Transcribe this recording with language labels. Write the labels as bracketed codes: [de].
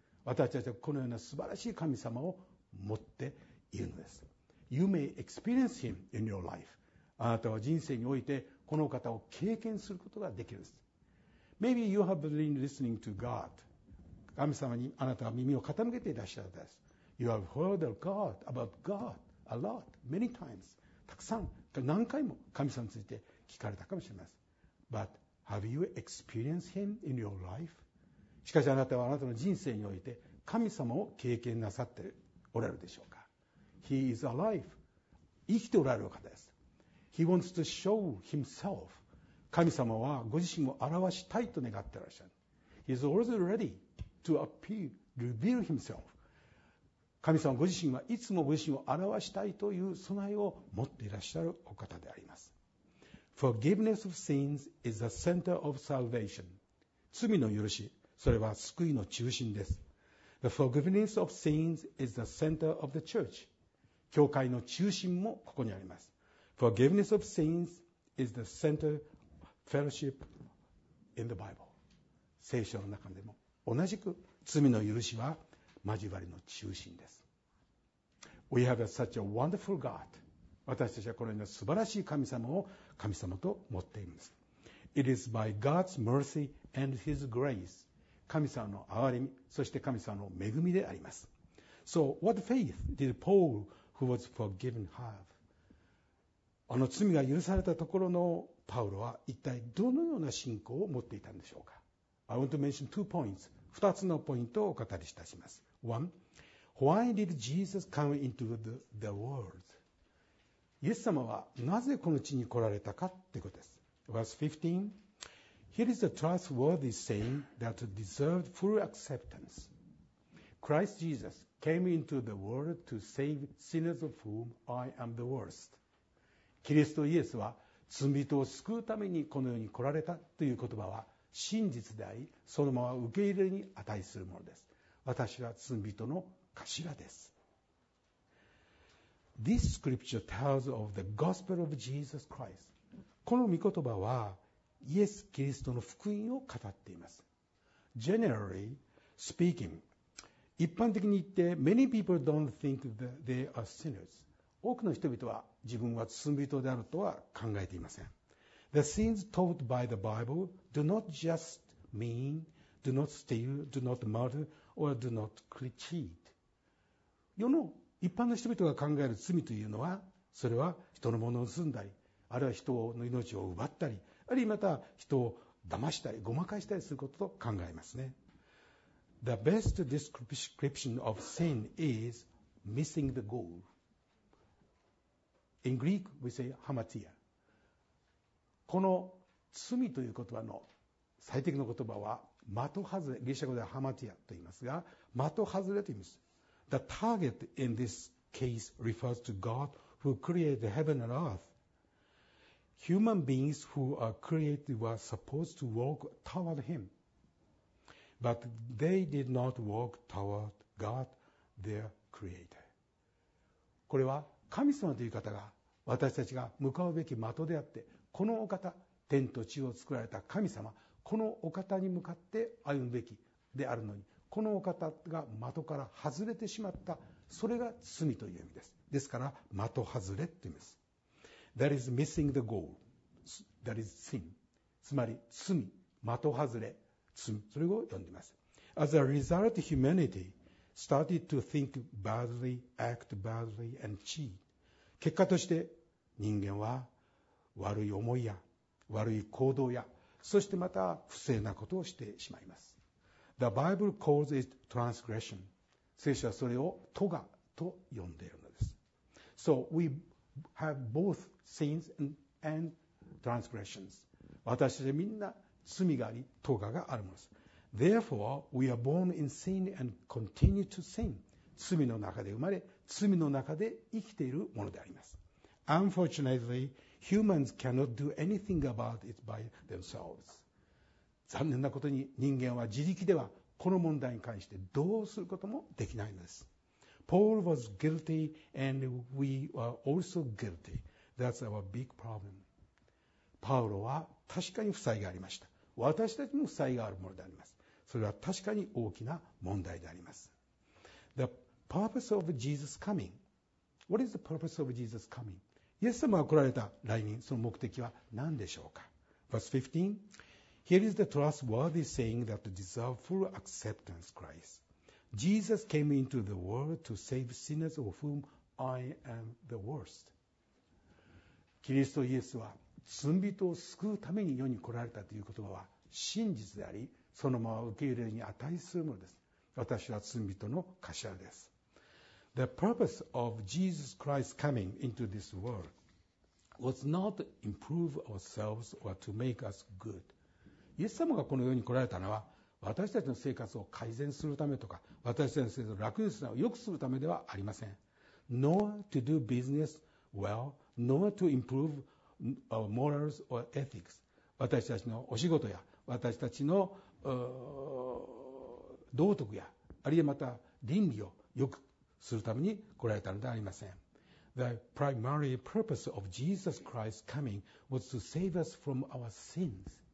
[ja] 私たちはこのような素晴らしい神様を持っているのです。 [en] You may experience him in your life. [ja] あなたは人生においてこの方を経験することができるんです。 [en] Maybe you have been listening to God. [ja] 神様にあなたは耳を傾けていらっしゃるのです。 [en] You have heard of God, about God a lot, many times. [ja] たくさん何回も神様について聞かれたかもしれません。 [en] But have you experienced him in your life? [ja] しかしあなたはあなたの人生において神様を経験なさっておられるでしょうか。 [en] He is alive. [ja] 生きておられる方です。 [en] He wants to show himself. [ja] 神様はご自身を表したいと願っていらっしゃる。 [en] He is always ready to appear, reveal himself. [ja] 神様ご自身はいつもご自身を表したいという備えを持っていらっしゃるお方であります。 [en] Forgiveness of sins is the center of salvation. [ja] 罪の許し、それは救いの中心です。 [en] The forgiveness of sins is the center of the church. [ja] 教会の中心もここにあります。 [en] Forgiveness of sins is the center of fellowship in the Bible. [ja] 聖書の中でも同じく罪の許しは交わりの中心です。 [en] We have such a wonderful God. [ja] 私たちはこのような素晴らしい神様を神様と持っています。 [en] It is by God's mercy and His grace. [ja] 神様の憐れみ、そして神様の恵みであります。 [en] So what faith did Paul who was forgiven have? [ja] あの罪が許されたところのパウロは一体どのような信仰を持っていたんでしょうか。 [en] I want to mention two points. [ja] 二つのポイントをお語りいたします。 [en] One, why did Jesus come into the world? [ja] イエス様はなぜこの地に来られたかということです。 [en] Verse 15, Here is a trustworthy saying that deserved full acceptance. Christ Jesus came into the world to save sinners of whom I am the worst. [ja] キリストイエスは罪人を救うためにこの世に来られたという言葉は真実であり、そのまま受け入れに値するものです。私は罪人の頭です。 [en] This scripture tells of the gospel of Jesus Christ. [ja] この御言葉はイエス・キリストの福音を語っています。 [en] Generally speaking, [ja] 一般的に言って、 [en] many people don't think that they are sinners. [ja] 多くの人々は自分は罪人であるとは考えていません。 [en] The sins taught by the Bible do not just mean, do not steal, do not murder, or do not cheat. [ja] 世の一般の人々が考える罪というのは、それは人のものを盗んだり、あるいは人の命を奪ったり、あるいはまた人を騙したり、ごまかしたりすることと考えますね。 [en] The best description of sin is missing the goal. In Greek, we say hamartia. [ja] この罪という言葉の最適の言葉は的外れ、ギリシャ語ではハマティアと言いますが、的外れと言います。 [en] The target in this case refers to God who created heaven and earth. Human beings who are created were supposed to walk toward Him. But they did not walk toward God, their creator. [ja] これは神様という方が私たちが向かうべき的であって、このお方、天と地を作られた神様、このお方に向かって歩むべきであるのに、このお方が的から外れてしまった、それが罪という意味です。ですから的外れと言います。 [en] That is missing the goal. That is sin. [ja] つまり罪、的外れ、罪、それを呼んでいます。 [en] As a result, humanity started to think badly, act badly, and cheat. [ja] 結果として人間は悪い思いや悪い行動や、そしてまた不正なことをしてしまいます。 [en] The Bible calls it transgression. [ja] 聖書はそれをトガと呼んでいるのです。 [en] So we have both sins and transgressions. [ja] 私たちはみんな罪があり、トガがあるものです。 [en] Therefore we are born in sin and continue to sin. [ja] 罪の中で生まれ、罪の中で生きているものであります。 [en] UnfortunatelyHumans cannot do anything about it by themselves. [ja] 残念なことに人間は自力ではこの問題に関してどうすることもできないのです。 [en] Paul was guilty and we were also guilty. That's our big problem. [ja] パウロは確かに負債がありました。私たちも負債があるものであります。それは確かに大きな問題であります。 [en] The purpose of Jesus coming. What is the purpose of Jesus coming? [ja] イエス様が来られた来人、その目的は何でしょうか。 [en] Verse 15 Here is the trustworthy saying that deserves full acceptance, Christ. Jesus came into the world to save sinners of whom I am the worst. [ja] キリストイエスは罪人を救うために世に来られたという言葉は真実であり、そのまま受け入れに値するものです。私は罪人の頭です。 [en] The purpose of Jesus Christ coming into this world was not to improve ourselves or to make us good. [ja] イエス様がこの世に来られたのは、私たちの生活を改善するためとか、私たちの生活を楽にするため、良くするためではありません。 [en] Nor to do business well, nor to improve our morals or ethics. [ja] 私たちのお仕事や、私たちの道徳や、あるいはまた倫理を良くするために来られたのではありません。 [en] The primary purpose of Jesus Christ's coming was to save us from our sins.